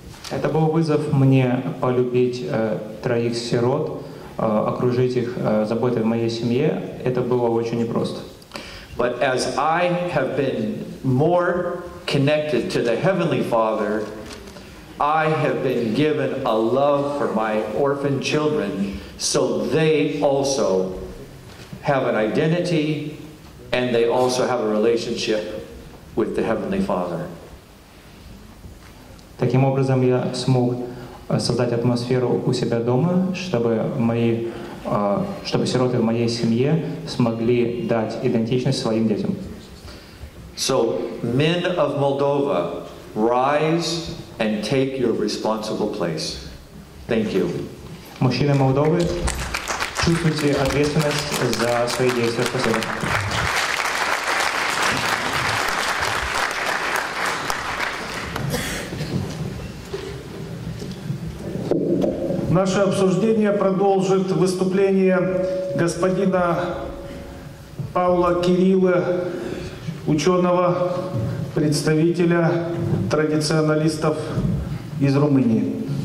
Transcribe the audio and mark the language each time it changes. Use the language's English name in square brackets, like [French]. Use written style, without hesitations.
[Russian] Это был вызов мне полюбить троих сирот, окружить их заботой в моей семье. Это было очень непросто. [English] But as I have been more connected to the Heavenly Father, I have been given a love for my orphan children, so they also have an identity and they also have a relationship with the Heavenly Father. [Russian] Таким образом, я смог создать атмосферу у себя дома, чтобы сироты в моей семье смогли дать идентичность своим детям. [English] So, men of Moldova, rise and take your responsible place. Thank you. [Russian] Мужчины Молдовы, чувствуйте ответственность за свои действия. Спасибо. Наше обсуждение продолжит выступление господина Павла Кирилла, ученого, представителя традиционалистов из Румынии.